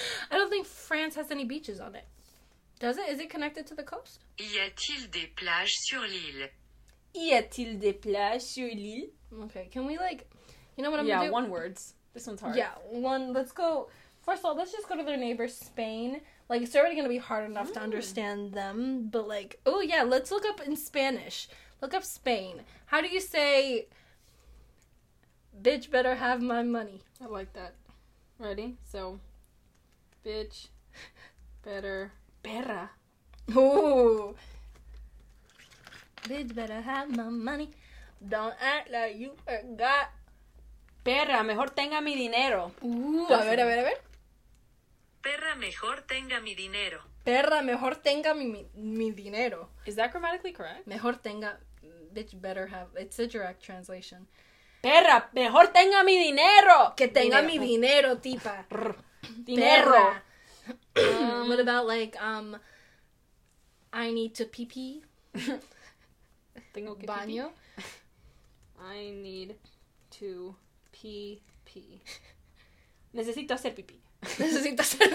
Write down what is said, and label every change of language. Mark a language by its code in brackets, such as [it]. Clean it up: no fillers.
[en] I don't think France has any beaches on it. Does it? Is it connected to the coast? [fr] Y a-t-il des plages sur l'île? Y a-t-il des plages sur l'île? [en] Okay, can we, like, you know what I'm gonna do? Yeah, one words. This one's hard. Yeah, one, let's go. First of all, let's just go to their neighbor, Spain. Like, it's already gonna be hard enough to understand them, but, like, oh, yeah, let's look up in Spanish. Look up Spain. How do you say, bitch better have my money? I like that. Ready? So, bitch better... [es] Perra. [en] Ooh. Bitch better have my money. Don't act like you forgot. [es] Perra, mejor tenga mi dinero. Ooh. A ver. Perra, mejor tenga mi dinero. Perra, mejor tenga mi dinero. [en] Is that grammatically correct? [es] Mejor tenga, [en] bitch better have, it's a direct translation. [es] Perra, mejor tenga mi dinero. Que tenga dinero. Mi dinero, tipa. Dinero. Perra. [en] what about, like, I need to pee-pee? [es] Tengo que baño? [en] Pee-pee. I need to pee-pee. [es] Necesito hacer pipí. Necesito hacer...